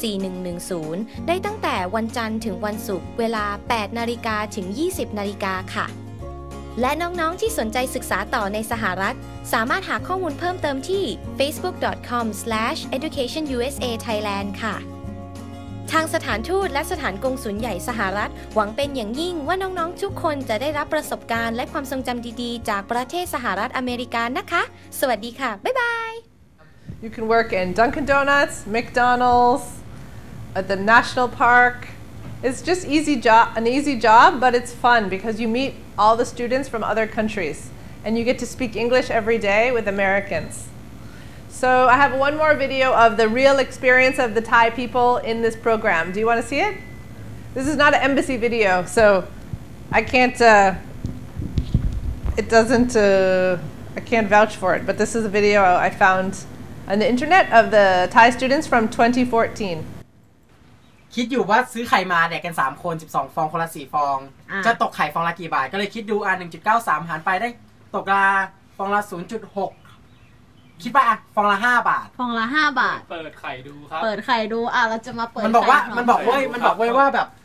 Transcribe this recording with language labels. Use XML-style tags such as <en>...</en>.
<th>02-105-4110ได้ตั้งแต่วันจันทร์ถึงวันศุกร์เวลา 8:00 น.ถึง 20:00 น.ค่ะและน้องๆที่สนใจศึกษาต่อในสหรัฐสามารถหาข้อมูลเพิ่มเติมที่ facebook.com/educationusathailand ค่ะทางสถานทูตและสถานกงสุลใหญ่สหรัฐหวังเป็นอย่างยิ่งว่าน้องๆทุกคนจะได้รับประสบการณ์และความทรงจำดีๆจากประเทศสหรัฐอเมริกานะคะสวัสดีค่ะบ๊ายบาย</th> <en>You can work in Dunkin Donuts, McDonald's, at the National Park. It's just an easy job, but it's fun because you meet all the students from other countries. And you get to speak English every day with Americans. So I have one more video of the real experience of the Thai people in this program. Do you want to see it? This is not an embassy video, so I can't, it doesn't, I can't vouch for it, but this is a video I found on the internet of the Thai students from 2014.</en> <th>คิดอยู่ว่าซื้อไข่มาเนี่ยกัน3คน12ฟองคนละ4ฟองจะตกไข่ฟองละกี่บาทก็เลยคิดดูอ่า 1.93 หารไปได้ตกละฟองละ 0.6 คิดว่าอ่ะฟองละ5บาท ฟองละ5บาท เปิดไข่ดูครับ เปิดไข่ดูอ่ะเราจะมาเปิด มันบอกว่ามันบอกเว้ยมันบอกเว้ยว่าแบบ</th>